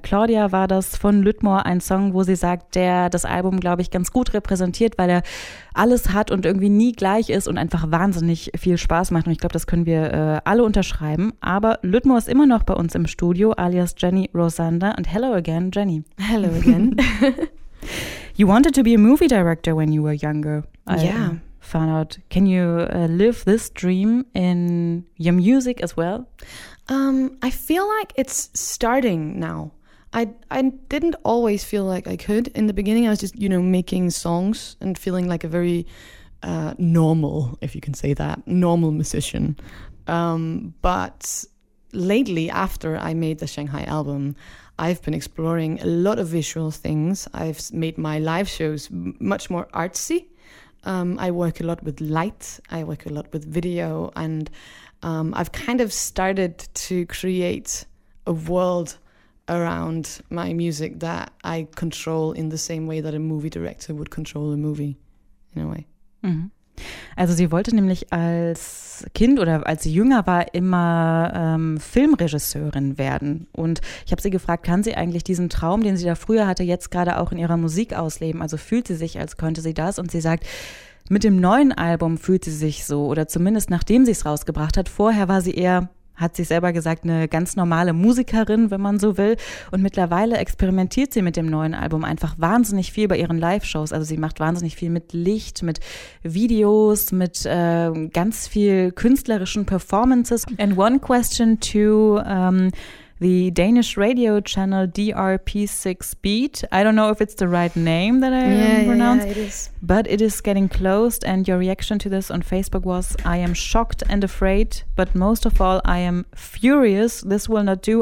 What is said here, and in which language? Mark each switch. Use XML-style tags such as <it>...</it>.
<de>Claudia war das von Lüttmor, ein Song, wo sie sagt, der das Album, glaube ich, ganz gut repräsentiert, weil er alles hat und irgendwie nie gleich ist und einfach wahnsinnig viel Spaß macht. Und ich glaube, das können wir alle unterschreiben. Aber Lüttmor ist immer noch bei uns im Studio, alias Jenny Rosander. Und</de> <en>hello again, Jenny. Hello again. You wanted to be a movie director when you were younger. Yeah. Found out, can you live this dream in your music as well? I feel like it's starting now. I didn't always feel like I could. In the beginning, I was just, you know, making songs and feeling like a very normal, if you can say that, normal musician. But lately, after I made the Shanghai album, I've been exploring a lot of visual things. I've made my live shows much more artsy. I work a lot with light, I work a lot with video, and I've kind of started to create a world around my music that I control in the same way that a movie director would control a movie, in a way. Mhm.</en> <de>Also sie wollte nämlich als Kind oder als sie jünger war immer Filmregisseurin werden. Und ich habe sie gefragt, kann sie eigentlich diesen Traum, den sie da früher hatte, jetzt gerade auch in ihrer Musik ausleben? Also fühlt sie sich, als könnte sie das? Und sie sagt, mit dem neuen Album fühlt sie sich so oder zumindest nachdem sie es rausgebracht hat. Vorher war sie eher, hat sie selber gesagt, eine ganz normale Musikerin, wenn man so will. Und mittlerweile experimentiert sie mit dem neuen Album einfach wahnsinnig viel bei ihren Live-Shows. Also sie macht wahnsinnig viel mit Licht, mit Videos, mit ganz viel künstlerischen Performances.</de> <en>And one question to the Danish radio channel DRP6Beat. I don't know if it's the right name that I pronounce. Yeah, it is. But it is getting closed and your reaction to this on Facebook was, I am shocked and afraid, but most of all, I am furious. This will not do.</en>